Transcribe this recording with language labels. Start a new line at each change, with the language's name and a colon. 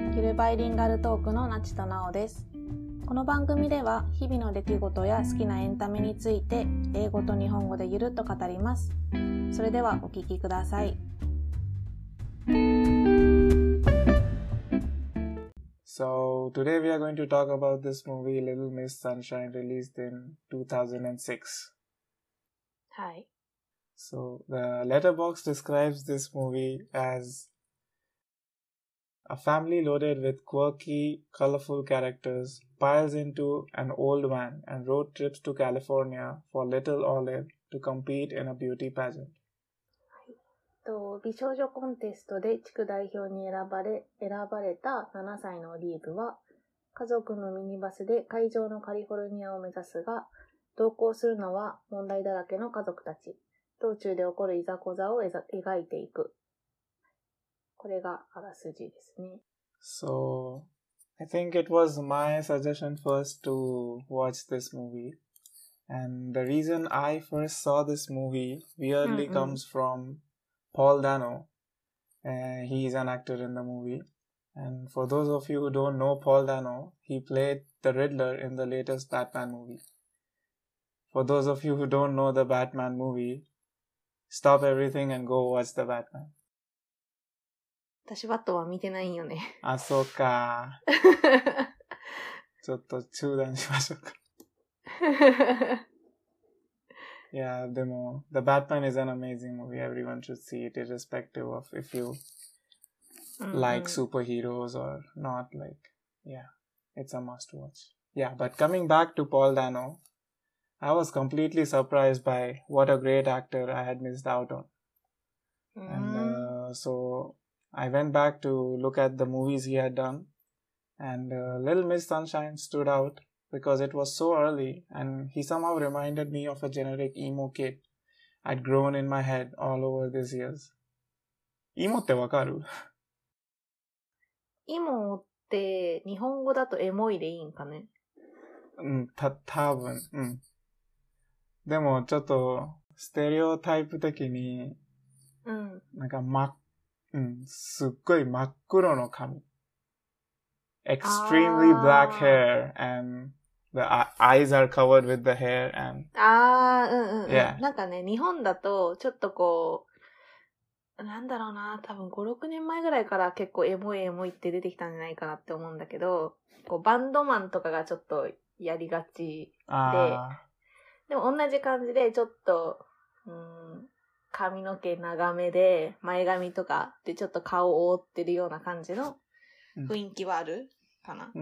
Japanese: ゆるバイリンガルトークのなちとなおです。この番組では日々の出来事や好きなエンタメについて英語と日本語でゆるっと語ります。それではお聞きください。
English: So today we are going to talk about this movie Little Miss Sunshine released in 2006. Hi. So the Letterboxd describes this movie as a family loaded with quirky, colorful characters piles into an old van and road trips to California for Little Olive to compete in a beauty pageant.
Japanese: と美少女コンテストで地区代表に選ばれた7歳のオリーブは、家族のミニバスで会場のカリフォルニアを目指すが、同行するのは問題だらけの家族たち。道中で起こるいざこざを描いていく。これがあらすじですね。
English: So, I think it was my suggestion first to watch this movie. And the reason I first saw this movie weirdly comes from Paul Dano. He is an actor in the movie. And for those of you who don't know Paul Dano, he played the Riddler in the latest Batman movie. For those of you who don't know the Batman movie, stop everything and go watch the Batman.
Japanese: 私バットは見てないよね。あ、そうか。ちょっと中断しましょうか。
English: Yeah, demo. The Batman is an amazing movie. Everyone should see it, irrespective of if you like superheroes or not. Like, yeah, it's a must watch. Yeah, but coming back to Paul Dano, I was completely surprised by what a great actor I had missed out on. And so I went back to look at the movies he had done, and Little Miss Sunshine stood out. Because it was so early and he somehow reminded me of a generic emo kid I'd grown in my head all over these years.
Japanese: Emo ってわかる? Emo って日本語だとエモいでいいんかね? たぶん。でもちょっとステレオタイプ的に、なんか真っ、すっごい真っ黒の髪。
English: Extremely black hair and the eyes are covered with the hair and
Japanese: なんかね日本だとちょっとこうなんだろうな多分 5,6 年前ぐらいから結構エモいって出てきたんじゃないかなって思うんだけどこうバンドマンとかがちょっとやりがちででも同じ感じでちょっと、髪の毛長めで前髪とかでちょっと顔を覆ってるような感じの雰囲気はある、かな。